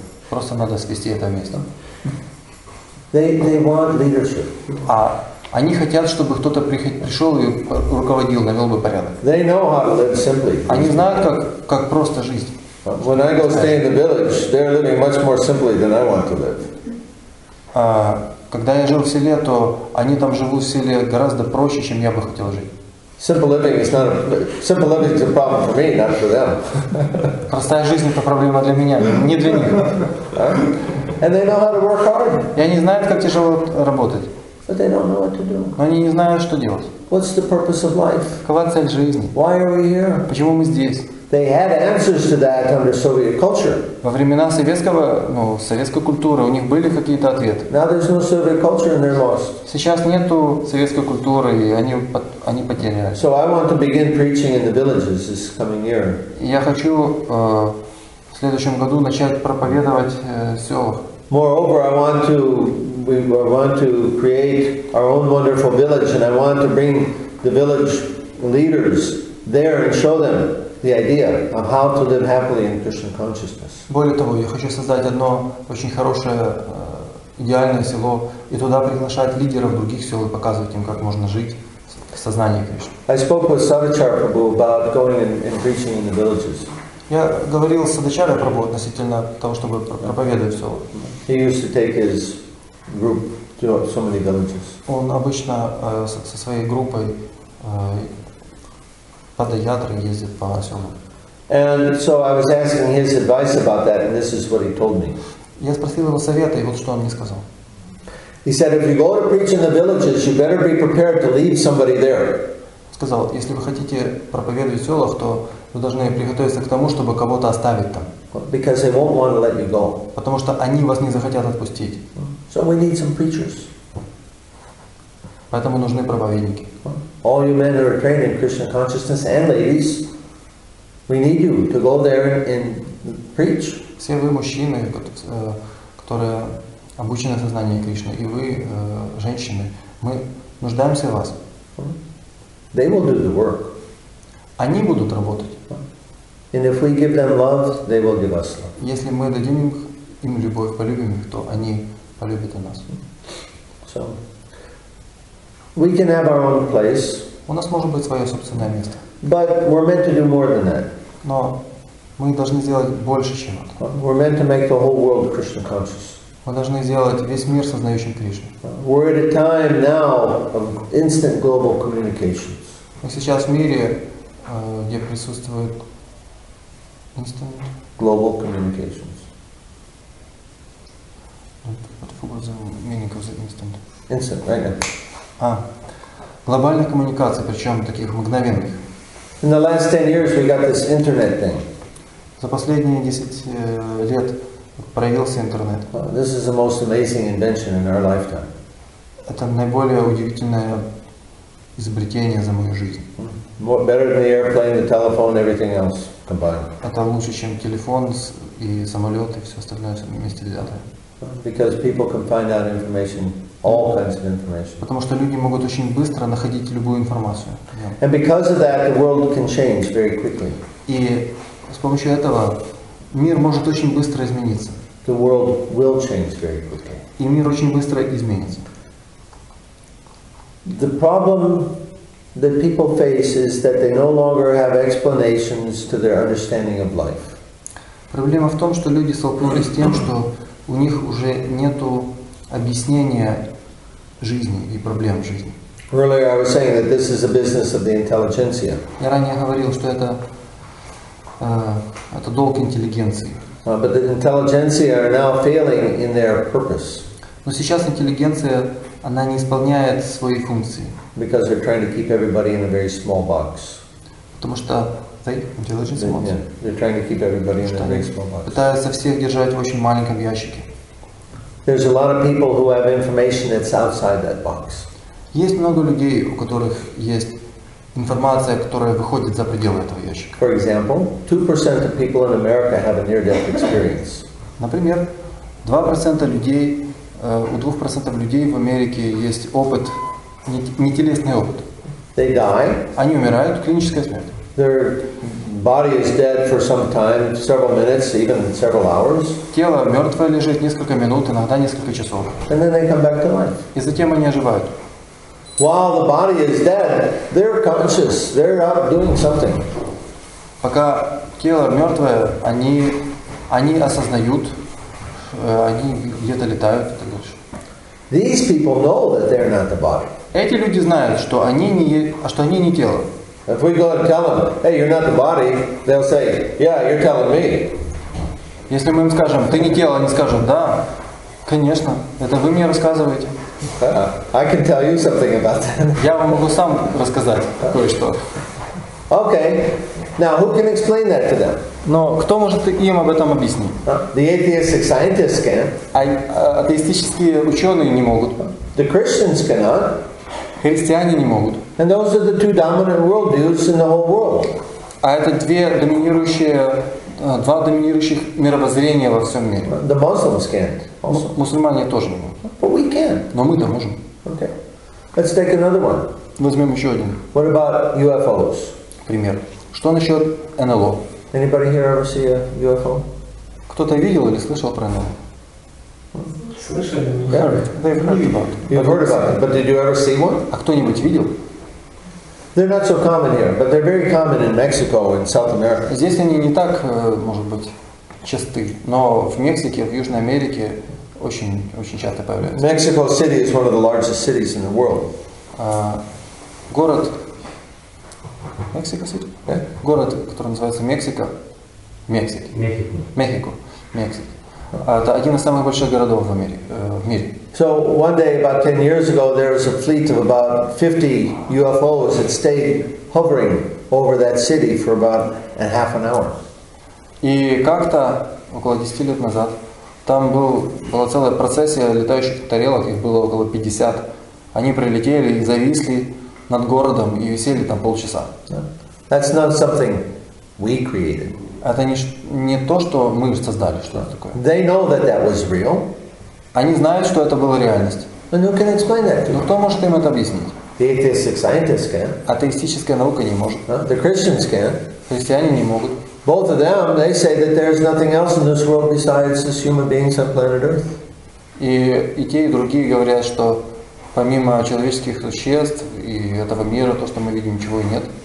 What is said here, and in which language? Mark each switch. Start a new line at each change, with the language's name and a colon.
Russian: Просто надо свести это вместе.
English: They want leadership.
Russian: Они хотят, чтобы кто-то пришел и руководил, навел бы порядок.
English: They know how to live simply.
Russian: Они знают, как просто жить.
English: When I go stay in the village, they're living much more simply than I want to live.
Russian: Когда я жил в селе, то они там живут в селе гораздо проще, чем я бы хотел жить.
English: Simple living is a problem for me, not for them.
Russian: Простая жизнь — это проблема для меня, не для них.
English: And they know how to work hard.
Russian: И они знают, как тяжело работать.
English: But they don't know what to do.
Russian: Они не знают, что делать.
English: What's the purpose of life?
Russian: Какова цель жизни?
English: Why are we here?
Russian: Почему мы здесь?
English: They had answers to that under Soviet culture.
Russian: Во времена советского, ну, советской культуры у них были какие-то ответы.
English: Now there's no Soviet culture and they're lost.
Russian: Сейчас нету советской культуры, и они потеряли.
English: So I want to begin preaching in the villages this coming year.
Russian: Я хочу в следующем году начать проповедовать в селах.
English: Moreover, I want to create our own wonderful village, and I want to bring the village leaders there and show them the idea of how to live happily in Krishna consciousness.
Russian: Более того, я хочу создать одно очень хорошее, идеальное село и туда приглашать лидеров других сел и показывать им, как можно жить в сознании Кришны.
English: I spoke with Savachar Prabhu about going and preaching in the villages.
Russian: Я говорил с Садачара Прабху относительно того, чтобы проповедовать в селах.
English: He used to take his group to so many villages.
Russian: Он обычно со своей группой под Ядрой ездит по селам.
English: And so I was asking his advice about that, and this is what he told me.
Russian: Я спросил его совета, и вот что он мне сказал.
English: He said, if you go to preach in the villages, you better be prepared to leave somebody there.
Russian: Сказал, если вы хотите проповедовать в селах, то вы должны приготовиться к тому, чтобы кого-то оставить там.
English: Because they won't want to let you go.
Russian: Потому что они вас не захотят отпустить.
English: So we need some preachers.
Russian: Поэтому нужны проповедники.
English: All you men are trained in Krishna consciousness, and ladies, we need you to go there and preach.
Russian: Все вы мужчины, которые обучены в сознании Кришны, и вы женщины, мы нуждаемся в вас.
English: They will do the work.
Russian: Они будут работать.
English: And if we give them love, they will give us love.
Russian: Если мы дадим им любовь, полюбим их, то они полюбят и нас.
English: So, we can have our own place.
Russian: У нас может быть свое собственное место.
English: But we're meant to do more than that.
Russian: Но мы должны сделать больше, чем это.
English: We're meant to make the whole world Krishna conscious.
Russian: Мы должны сделать весь мир сознающим Кришну.
English: We're at a time now of instant global communications.
Russian: Мы сейчас в мире, где присутствует instant
English: global communications. What was the meaning of the instant? Instant, right?
Russian: Глобальных коммуникаций, причем таких мгновенных.
English: In the last 10 years, we got this internet thing.
Russian: За последние 10 лет Проявился интернет.
English: This is the most amazing invention in our lifetime.
Russian: Это наиболее удивительное изобретение за мою жизнь.
English: More better than the airplane, the telephone, everything else combined.
Russian: Это лучше, чем телефон и самолет и все остальное вместе взятое.
English: Because people can find out information, all kinds of information.
Russian: Потому что люди могут очень быстро находить любую информацию.
English: And because of that, the world can change very quickly.
Russian: И с помощью этого мир может очень быстро измениться.
English: The world will change very quickly.
Russian: И мир очень быстро изменится.
English: The problem that people face is that they no longer have explanations to their understanding of life.
Russian: Проблема в том, что люди столкнулись с тем, что у них уже нету объяснения жизни и проблем жизни.
English: Earlier I was saying that this is a business of the intelligentsia.
Russian: Я ранее говорил, что это долг интеллигенции.
English: But the intelligentsia are now failing in their purpose.
Russian: Но сейчас интеллигенция, она не исполняет свои функции.
English: Because they're trying to keep everybody in a very small box.
Russian: Потому что интеллигенция.
English: Yeah, they're trying to keep everybody in a very small box.
Russian: Пытаются всех держать в очень маленьком ящике.
English: There's a lot of people who have information that's outside that box.
Russian: Есть много людей, у которых есть информация, которая выходит за пределы этого ящика.
English: For example, 2% of people in America have a near-death experience.
Russian: Например, 2% людей, у 2% людей в Америке есть опыт, нетелесный опыт.
English: They die.
Russian: Они умирают, клиническая смерть.
English: Their body is dead for some time, several minutes, even several hours.
Russian: Тело мертвое лежит несколько минут, иногда несколько часов.
English: And then they come back to life.
Russian: И затем они оживают.
English: While the body is dead, they're conscious. They're out doing something.
Russian: Пока тело мертвое, они осознают, они где-то летают и так дальше.
English: These people know that they're not the body.
Russian: Эти люди знают, что они не тело.
English: If we go and tell them, hey, you're not the body, they'll say, yeah, you're telling me.
Russian: Если мы им скажем, ты не тело, они скажут, да, конечно, это вы мне рассказываете.
English: I can tell you something about that.
Russian: Я вам могу сам рассказать кое-что.
English: Okay. Now, who can explain that to them?
Russian: Но кто может им об этом объяснить?
English: The atheistic scientists can.
Russian: Атеистические ученые не могут.
English: The Christians cannot.
Russian: Христиане не могут.
English: And those are the two dominant worldviews in the whole world.
Russian: А это два доминирующих мировоззрения во всем мире.
English: The Muslims can.
Russian: Мусульмане тоже не могут.
English: But we can.
Russian: Но мы-то можем.
English: Okay. Let's take another one.
Russian: Возьмем еще один.
English: What about UFOs?
Russian: Пример. Что насчет НЛО?
English: Anybody here ever see a UFO?
Russian: Кто-то видел или слышал про НЛО? Слышали.
English: Yeah. They've heard about it. You've heard about it. But did you ever see one?
Russian: А кто-нибудь видел?
English: They're not so common here, but they're very common in Mexico and South America.
Russian: Здесь они не так, может быть, часты, но в Мексике, в Южной Америке очень часто появляются.
English: Mexico City is one of the largest cities in the world.
Russian: Город Мексико Сити?
English: Yeah.
Russian: Город, который называется Мексика. Мексики. Мехико. Мексик. Это один из самых больших городов в мире.
English: So one day about 10 years ago there was a fleet of about 50 UFOs that stayed hovering over that city for about a half an hour.
Russian: И как-то около 10 лет назад там была целая процессия летающих тарелок, их было около 50. Они прилетели и зависли над городом и висели там полчаса.
English: Yeah. That's not something we created.
Russian: Это не то, что мы создали, что это такое.
English: They know that that was real.
Russian: Они знают, что это была реальность.
English: And who can explain that to
Russian: Но кто может им это объяснить?
English: The atheistic scientists can.
Russian: Атеистическая наука не может.
English: The Christians can.
Russian: Христиане не могут.
English: Both of them, they say that there is nothing else in this world besides this human beings on planet Earth.
Russian: И те, и другие говорят, что помимо человеческих существ и этого мира, то, что мы видим, ничего и нет.